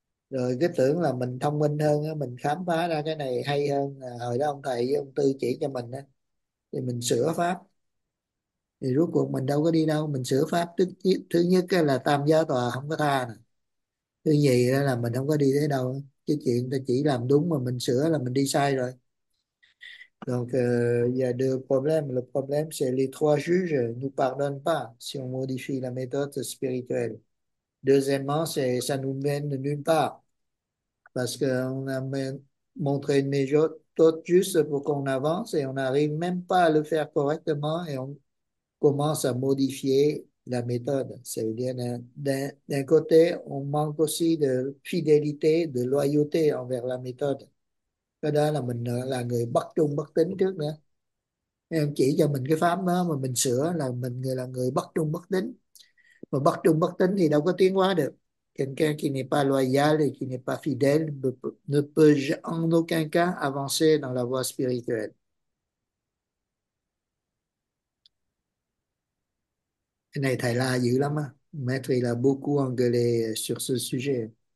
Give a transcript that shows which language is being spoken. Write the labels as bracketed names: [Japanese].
[Vietnamese] Rồi cứ tưởng là mình thông minh hơn, mình khám phá ra cái này hay hơn hồi đó ông thầy với ông tư chỉ cho mình, thì mình sửa pháp. Thì rốt cuộc mình đâu có đi đâu, mình sửa pháp. Thứ nhất là tam giáo tòa không có tha nè. Thứ nhì là mình không có đi tới đâu. Cái chuyện ta chỉ làm đúng mà mình sửa là mình đi sai rồi. [French] Donc, il y a deux problèmes. Le problème, c'est les trois juges ne nous pardonnent pas si on modifie la méthode spirituelle. Deuxièmement, c'est ça nous mène nulle part. Parce qu'on a montré une méthode juste pour qu'on avance et on n'arrive même pas à le faire correctement et on commence à modifier la méthode. C'est-à-dire, d'un côté, on manque aussi de fidélité, de loyauté envers la méthode. [Vietnamese] Cái đó là mình là người bất trung bất tín trước nữa. Em chỉ cho mình cái pháp đó mà mình sửa là mình người là người bất trung bất tín. Mà bất trung bất tín thì đâu có tiến hóa được. [French] Quelqu'un qui n'est pas loyal et qui n'est pas fidèle ne peut en aucun cas avancer dans la voie spirituelle. [Vietnamese] Cái này thầy la dữ lắm á. [French] Maître là beaucoup engueulé sur ce sujet.